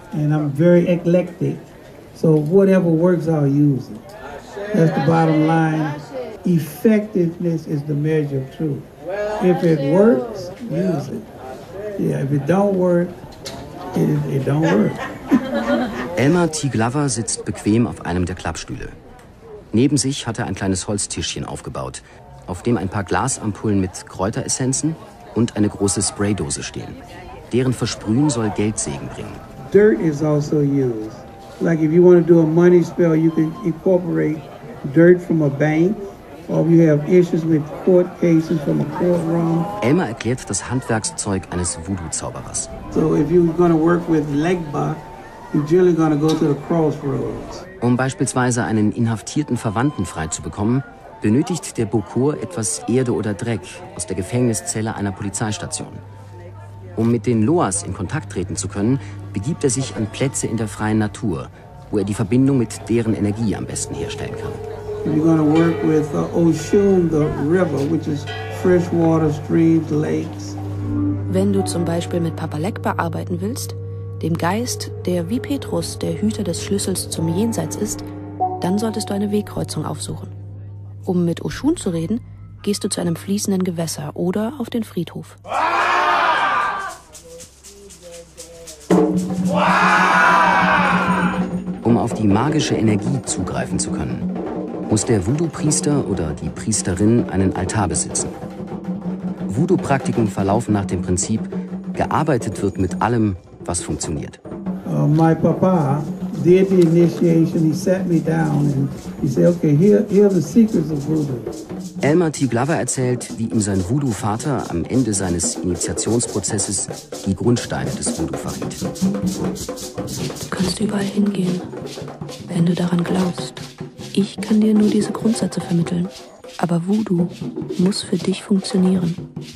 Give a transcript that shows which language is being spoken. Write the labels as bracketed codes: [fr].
[en] And I'm very eclectic, so whatever works, I'll use it. That's the bottom line. Effectiveness is the measure of truth. If it works, use it. Yeah, if it don't work, it don't work. [de] Elmer T. Glover sitzt bequem auf einem der Klappstühle. Neben sich hat er ein kleines Holztischchen aufgebaut, auf dem ein paar Glasampullen mit Kräuteressenzen und eine große Spraydose stehen. Deren Versprühen soll Geldsegen bringen. [en] Dirt is also used. Like if you want to do a money spell, you can incorporate dirt from a bank, or if you have issues with court cases from a courtroom. [de] Elmer erklärt das Handwerkszeug eines Voodoo-Zauberers. [en] So if you're going to work with Legba, you're generally going to go to the crossroads. [de] Um beispielsweise einen inhaftierten Verwandten freizubekommen, benötigt der Bokor etwas Erde oder Dreck aus der Gefängniszelle einer Polizeistation. Um mit den Loas in Kontakt treten zu können, begibt er sich an Plätze in der freien Natur, wo er die Verbindung mit deren Energie am besten herstellen kann. [en] You're going to work with the Oshun, the river, which is fresh water, streams, lakes. [de] Wenn du zum Beispiel mit Papa Legba arbeiten willst, dem Geist, der wie Petrus der Hüter des Schlüssels zum Jenseits ist, dann solltest du eine Wegkreuzung aufsuchen. Um mit Oshun zu reden, gehst du zu einem fließenden Gewässer oder auf den Friedhof. Um auf die magische Energie zugreifen zu können, muss der Voodoo-Priester oder die Priesterin einen Altar besitzen. Voodoo-Praktiken verlaufen nach dem Prinzip, gearbeitet wird mit allem, was funktioniert. [en] My papa, did the initiation. He sat me down and he said, okay, here are the secrets of voodoo. [de] Elmer T. Glover erzählt, wie ihm sein Voodoo-Vater am Ende seines Initiationsprozesses die Grundsteine des Voodoo verriet. Du kannst überall hingehen, wenn du daran glaubst. Ich kann dir nur diese Grundsätze vermitteln. Aber Voodoo muss für dich funktionieren.